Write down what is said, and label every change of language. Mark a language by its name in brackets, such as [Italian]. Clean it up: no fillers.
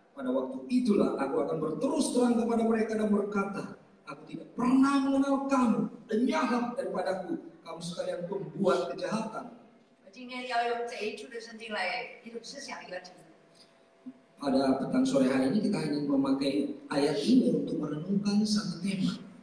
[Indonesian] Pada waktu itulah aku akan berterus terang kepada mereka dan berkata, aku tidak pernah mengenal kamu, lenyap daripadaku, kamu sekalian pembuat kejahatan. [Chinese] 今天要用这一处的圣经来一同思想一个题。 [Indonesian] Pada petang sore hari ini kita ingin memakai ayat ini untuk merenungkan satu tema.